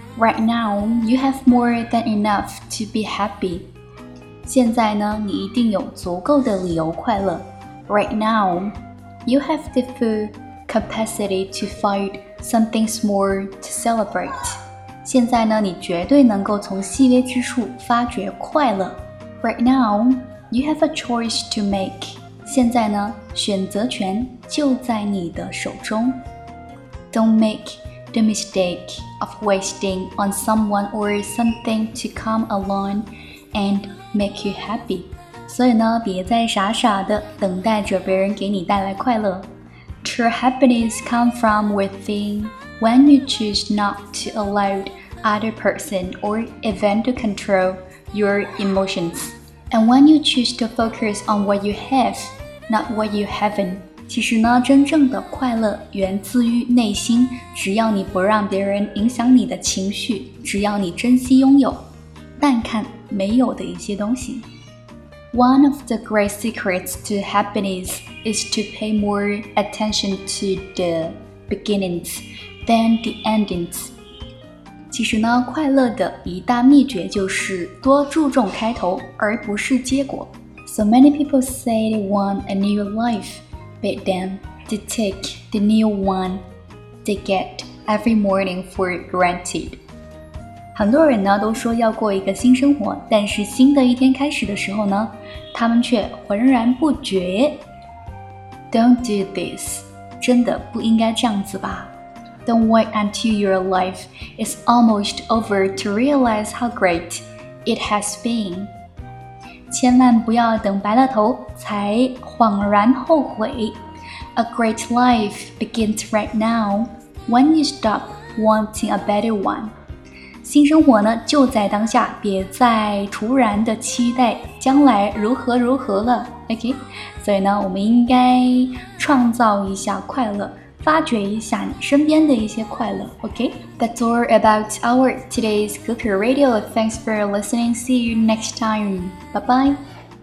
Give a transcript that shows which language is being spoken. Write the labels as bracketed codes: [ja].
[en] Right now, you have more than enough to be happy. [zh] 现在呢，你一定有足够的理由快乐。 [en] Right now, you have the full capacity to find something more to celebrate. [zh] 现在呢，你绝对能够从细微之处发掘快乐。 [en] Right now, you have a choice to make. [zh] 现在呢，选择权就在你的手中。 [en] Don't make the mistake of wasting on someone or something to come along and make you happy. [zh] 所以呢，别再傻傻的等待着别人给你带来快乐。 [en] True happiness comes from within when you choose not to allow other person or event to control your emotions. And when you choose to focus on what you have, not what you haven't. [zh] 其实呢，真正的快乐源自于内心，只要你不让别人影响你的情绪，只要你珍惜拥有，但看没有的一些东西。 [en] One of the great secrets to happiness is to pay more attention to the beginnings than the endings. [zh] 其实呢，快乐的一大秘诀就是多注重开头，而不是结果。 [en] So many people say they want a new life. But then they take the new one they get every morning for granted. [zh] 很多人呢都说要过一个新生活，但是新的一天开始的时候呢，他们却浑然不觉。 [en] Don't do this. [zh] 真的不应该这样子吧。 [en] Don't wait until your life is almost over to realize how great it has been. [zh] 千万不要等白了头才恍然后悔。 [en] A great life begins right now when you stop wanting a better one. [zh] 新生活呢就在当下，别再突然的期待将来如何如何了。OK， 所以呢，我们应该创造一下快乐，发掘一下你身边的一些快乐。 [en] OK， that's all about our today's Kuku Radio. Thanks for listening. See you next time. Bye-bye.